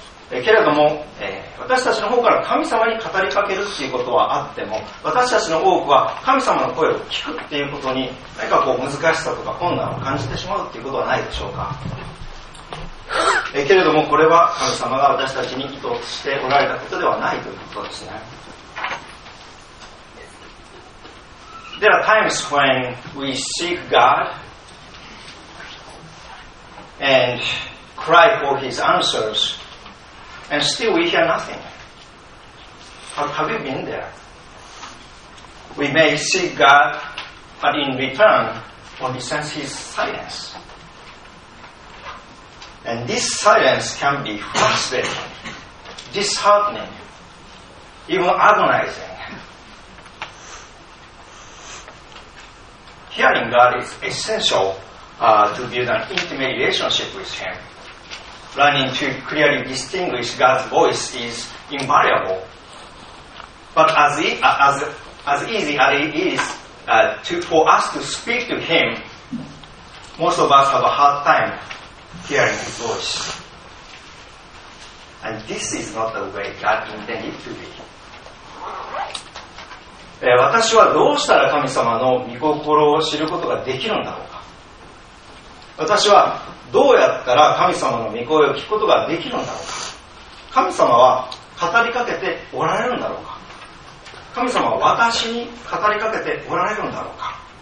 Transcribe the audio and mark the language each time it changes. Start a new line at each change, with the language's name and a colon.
Japanese: けれども、私たちの方から神様に語りかけるということはあっても、私たちの多くは神様の声を聞くということに何かこう難しさとか困難を感じてしまうということはないでしょうか。けれどもこれは神様が私たちに意図しておられたことではないということですね。
English: There are times when we seek God and cry for his answers and still we hear nothing. Have you been there? We may seek God but in return when he sends his silenceAnd this silence can be frustrating, disheartening, even agonizing. Hearing God is essential to build an intimate relationship with Him. Learning to clearly distinguish God's voice is invaluable. But as easy as it is for us to speak to Him, most of us have a hard time. Hearing his voice. And this is not the way God intended to be.
Japanese: 私はどうしたら神様の御心を知ることができるんだろうか。私はどうやったら神様の御声を聞くことができるんだろうか。神様は語りかけておられるんだろうか。神様は私に語りかけておられるんだろうか。